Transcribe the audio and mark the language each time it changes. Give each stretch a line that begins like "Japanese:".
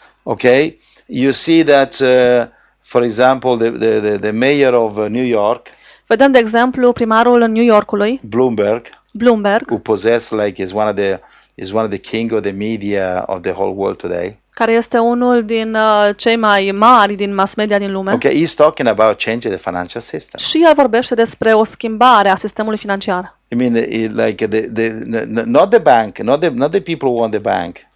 English: Okay. You see that for example the mayor of New York.
Romanian: Vedem de exemplu primarul New Yorkului.
English: Bloomberg. Who possesses like is one of the king of the media of the whole world today.
Romanian: Care este unul din cei mai mari din mass media din lume.
English: Okay, he's talking about changing the financial system.
Romanian: Și el vorbește despre o schimbare a sistemului financiar.
English: I mean like not the people who own the bank.